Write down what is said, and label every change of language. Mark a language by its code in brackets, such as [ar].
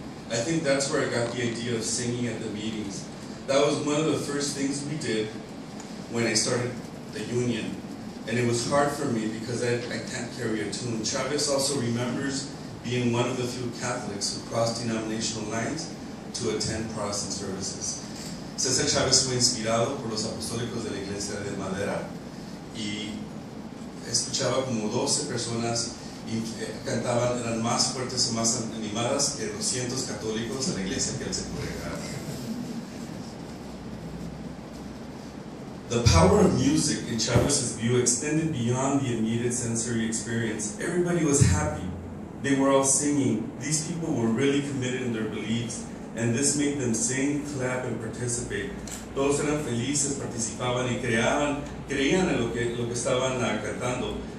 [en] I think that's where I got the idea of singing at the meetings. That was one of the first things we did when I started the union. And it was hard for me because I can't carry a tune. Chavez also remembers being one of the few Catholics who crossed denominational lines to attend Protestant services. [es] Cesar Chavez fue inspirado por los apostólicos de la Iglesia de Madera. Y escuchaba como 12 personas y cantaban, eran más fuertes o más animadas que 200 católicos de la iglesia que él se congregaba. [en] The power of music in Chavez's view extended beyond the immediate sensory experience. Everybody was happy. They were all singing. These people were really committed in their beliefs, and this made them sing, clap, and participate. [es] Todos eran felices, participaban y creían en lo que estaban cantando.